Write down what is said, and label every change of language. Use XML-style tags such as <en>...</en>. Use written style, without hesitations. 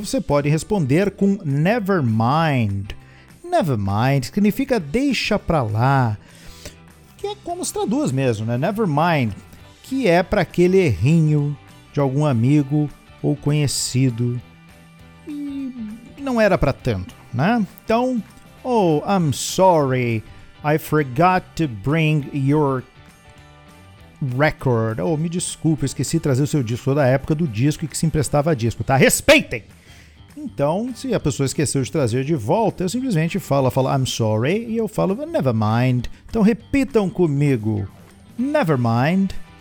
<pt>Você pode responder com</pt> <en>never mind. Never mind</en> <pt>significa deixa pra lá, que é como se traduz mesmo, né?</pt> <en>Never mind,</en> <pt>que é para aquele errinho de algum amigo ou conhecido e não era para tanto, né?</pt> <en>Então, oh, I'm sorry, I forgot to bring your record.</en> <pt>Oh, me desculpe, esqueci de trazer o seu disco. Sou da época do disco e que se emprestava disco, tá? Respeitem! Então, se a pessoa esqueceu de trazer de volta, eu simplesmente falo</pt> <en>I'm sorry</en> <pt>e eu falo</pt> <en>never mind.</en> <pt>Então, repitam comigo.</pt> <en>Never mind.</en>